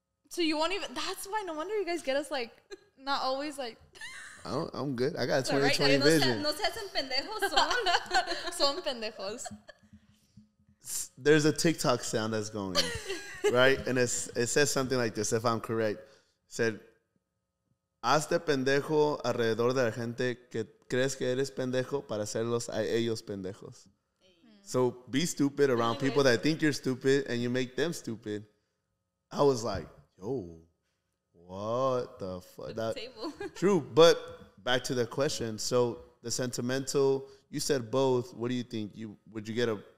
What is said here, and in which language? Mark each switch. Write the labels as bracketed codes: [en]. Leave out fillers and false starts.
[en] So you won't even, that's why, no wonder you guys get us, like, not always, like. I'm good. I got 20/20 right, vision. [es] No se hacen pendejos, son. Son pendejos. [en] There's a TikTok sound that's going, right? And it says something like this, if I'm correct. It said, [es] hazte pendejo alrededor de la gente que crees que eres pendejo para hacerlos a ellos pendejos. [en] So be stupid around people that think you're stupid and you make them stupid. I was like. Oh, what the fuck? That's true. But back to the question. So the sentimental, you said both. What do you think? Would you prefer?